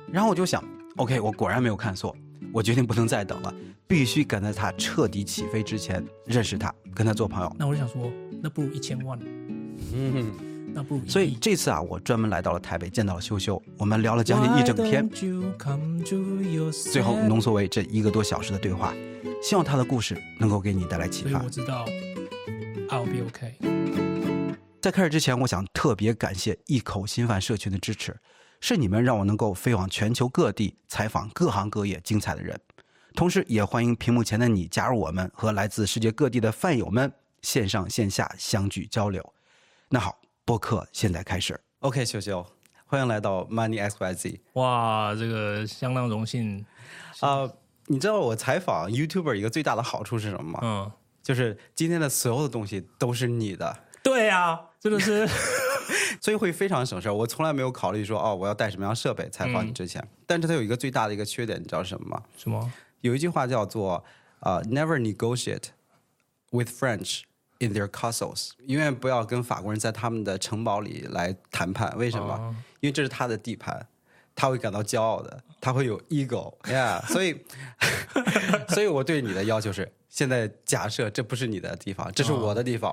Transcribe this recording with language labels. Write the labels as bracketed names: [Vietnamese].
[Chinese] 然后我就想 ，OK， 我果然没有看错，我决定不能再等了，必须赶在他彻底起飞之前认识他，跟他做朋友。那我就想说，那不如10,000,000。那不所以这次啊，我专门来到了台北，见到了秀秀，我们聊了将近一整天，最后浓缩为这一个多小时的对话，希望他的故事能够给你带来启发。所以我知道 [English] I'll be OK。 [Chinese] 在开始之前，我想特别感谢一口新饭社群的支持，是你们让我能够飞往全球各地采访各行各业精彩的人，同时也欢迎屏幕前的你加入我们和来自世界各地的饭友们线上线下相聚交流。那好，播客现在开始。 OK， 秀秀，欢迎来到 Money XYZ。哇，这个相当荣幸。你知道我采访 YouTuber 一个最大的好处是什么吗？嗯，就是今天的所有的东西都是你的。对啊，真的是，所以会非常省事。我从来没有考虑说哦，我要带什么样设备采访你之前。但是它有一个最大的一个缺点，你知道什么吗？什么？有一句话叫做 [English] Never negotiate with French。 In their castles， [Chinese] 永远不要跟法国人在他们的城堡里来谈判。为什么？因为这是他的地盘，他会感到骄傲的，他会有 ego， yeah。所以我对你的要求是，现在假设这不是你的地方，这是我的地方。